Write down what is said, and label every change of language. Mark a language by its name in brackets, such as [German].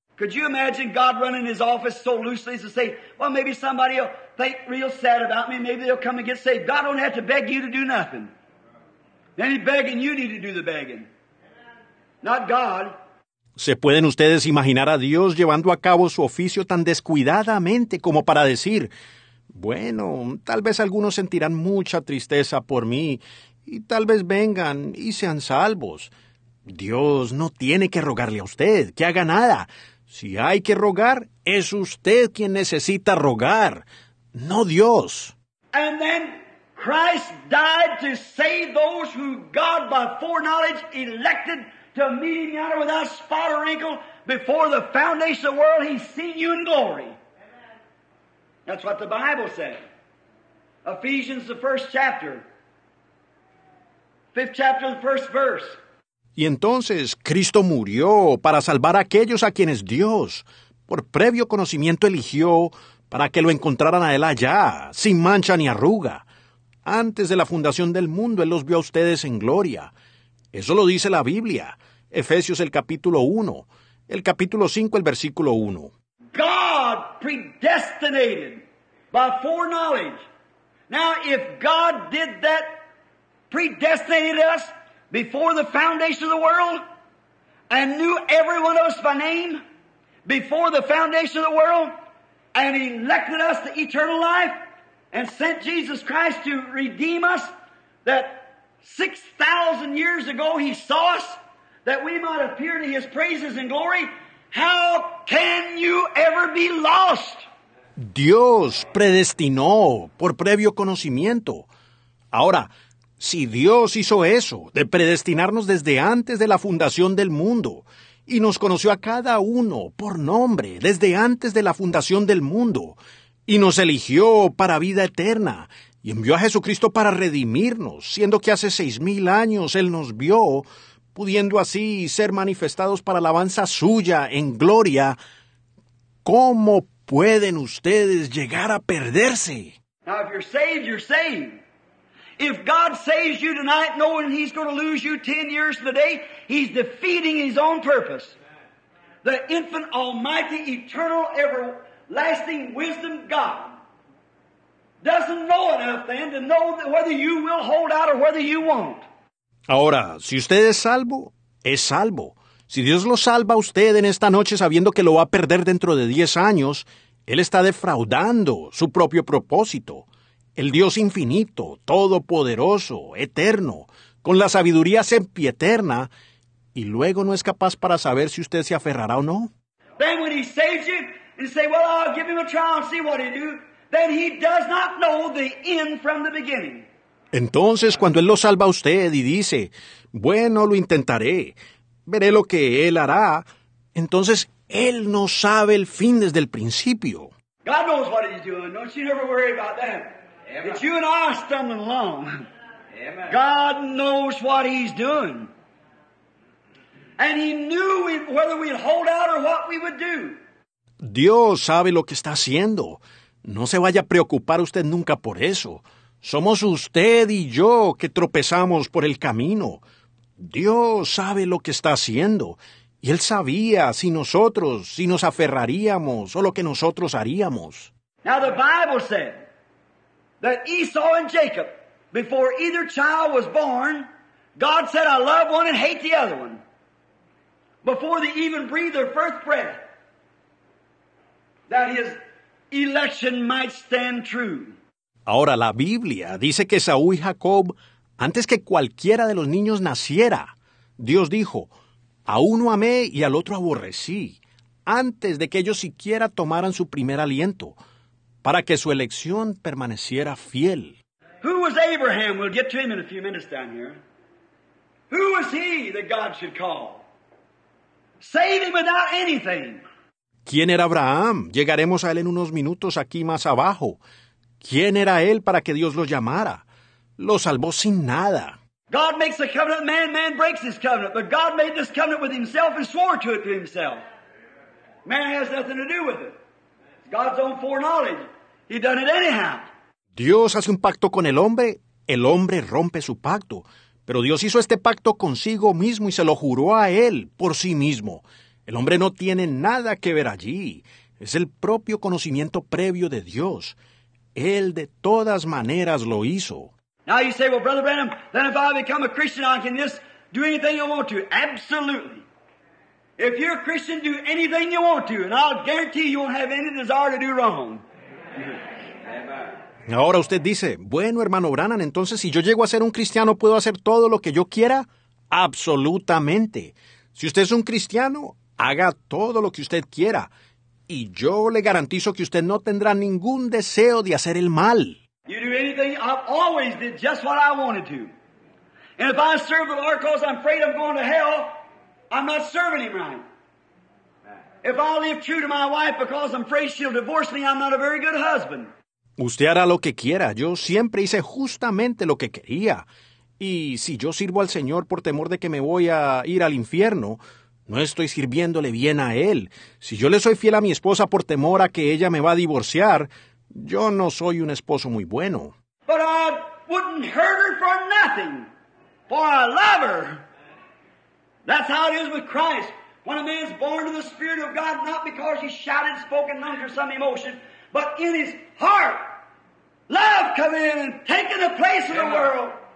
[English] Could you imagine God running his office so loosely as to say, well, maybe somebody will think real sad about me. Maybe they'll come and get saved. God don't have to beg you to do nothing. Any begging, you need to do the begging. Not God. [Spanish] ¿Se pueden ustedes imaginar a Dios llevando a cabo su oficio tan descuidadamente como para decir, bueno, tal vez algunos sentirán mucha tristeza por mí y tal vez vengan y sean salvos? Dios no tiene que rogarle a usted que haga nada. Si hay que rogar, es usted quien necesita rogar, no Dios. [English] And then Christ died to save those who God by foreknowledge elected to meet him yonder without spot or wrinkle before the foundation of the world. He's seen you in glory. Amen. That's what the Bible said. Ephesians, the first chapter. Fifth chapter, the first verse. [Spanish] Y entonces, Cristo murió para salvar a aquellos a quienes Dios, por previo conocimiento, eligió para que lo encontraran a Él allá, sin mancha ni arruga. Antes de la fundación del mundo, Él los vio a ustedes en gloria. Eso lo dice la Biblia. Efesios, el capítulo 1. El capítulo 5, el versículo 1. [English] God predestinated by foreknowledge. Now, if God did that, predestinated us, before the foundation of the world, and knew every one of us by name, before the foundation of the world, and elected us to eternal life, and sent Jesus Christ to redeem us, that 6,000 years ago He saw us, that we might appear to His praises and glory, how can you ever be lost? [Spanish] Dios predestinó por previo conocimiento. Ahora, si Dios hizo eso, de predestinarnos desde antes de la fundación del mundo, y nos conoció a cada uno por nombre desde antes de la fundación del mundo, y nos eligió para vida eterna, y envió a Jesucristo para redimirnos, siendo que hace 6,000 años Él nos vio, pudiendo así ser manifestados para alabanza suya en gloria, ¿cómo pueden ustedes llegar a perderse? [English] Now, if you're saved, you're saved. If God saves you tonight knowing He's going to lose you 10 years from today, He's defeating His own purpose. The infinite, almighty, eternal, everlasting wisdom God doesn't know enough then to know that whether you will hold out or whether you won't. [Spanish] Ahora, si usted es salvo, es salvo. Si Dios lo salva a usted en esta noche sabiendo que lo va a perder dentro de 10 años, Él está defraudando su propio propósito. El Dios infinito, todopoderoso, eterno, con la sabiduría sempiterna, y luego no es capaz para saber si usted se aferrará o no. [English] Then when He saves you, and say, well, I'll give Him a trial and see what He do, then He does not know the end from the beginning. [Spanish] Entonces, cuando Él lo salva a usted y dice, bueno, lo intentaré, veré lo que Él hará, entonces Él no sabe el fin desde el principio. [English] God knows what He's doing. Don't you never worry about that. It's you and I stumbling along. Amen. God knows what He's doing. And He knew whether we'd hold out or what we would do. [Spanish] Dios sabe lo que está haciendo. No se vaya a preocupar usted nunca por eso. Somos usted y yo que tropezamos por el camino. Dios sabe lo que está haciendo. Y Él sabía si nosotros, si nos aferraríamos o lo que nosotros haríamos. [English] Now the Bible said that Esau and Jacob, before either child was born, God said, I love one and hate the other one. Before they even breathed their first breath, that His election might stand true. [Spanish] Ahora, la Biblia dice que Esaú y Jacob, antes que cualquiera de los niños naciera, Dios dijo, a uno amé y al otro aborrecí, antes de que ellos siquiera tomaran su primer aliento, para que su elección permaneciera fiel. [English] Who was Abraham? We'll get to him in a few minutes down here. Who was he that God should call? Save him without anything. [Spanish] ¿Quién era Abraham? Llegaremos a él en unos minutos aquí más abajo. ¿Quién era él para que Dios lo llamara? Lo salvó sin nada. [English] God makes a covenant, man, man breaks his covenant. But God made this covenant with himself and swore to it to himself. Man has nothing to do with it. God's own foreknowledge. He done it anyhow. [Spanish] Dios hace un pacto con el hombre rompe su pacto. Pero Dios hizo este pacto consigo mismo y se lo juró a él por sí mismo. El hombre no tiene nada que ver allí. Es el propio conocimiento previo de Dios. Él de todas maneras lo hizo. [English] Now you say, well, Brother Branham, then if I become a Christian, I can just do anything I want to. Absolutely. If you're a Christian, do anything you want to, and I'll guarantee you won't have any desire to do wrong. [Spanish] Ahora usted dice, bueno, hermano Branham, entonces si yo llego a ser un cristiano, ¿puedo hacer todo lo que yo quiera? Absolutamente. Si usted es un cristiano, haga todo lo que usted quiera. Y yo le garantizo que usted no tendrá ningún deseo de hacer el mal. [English] You do anything? I've always did just what I wanted to. And if I serve the Lord because I'm afraid I'm going to hell, I'm not serving Him right. If I live true to my wife because I'm afraid she'll divorce me, I'm not a very good husband. [Spanish] Usted hará lo que quiera. Yo siempre hice justamente lo que quería. Y si yo sirvo al Señor por temor de que me voy a ir al infierno, no estoy sirviéndole bien a Él. Si yo le soy fiel a mi esposa por temor a que ella me va a divorciar, yo no soy un esposo muy bueno. [English] But I wouldn't hurt her for nothing, for I love her. That's how it is with Christ. When a man is born of the Spirit of God, not because he shouted, spoke in tongues or some emotion, but in his heart, love come in and taken the place of the world.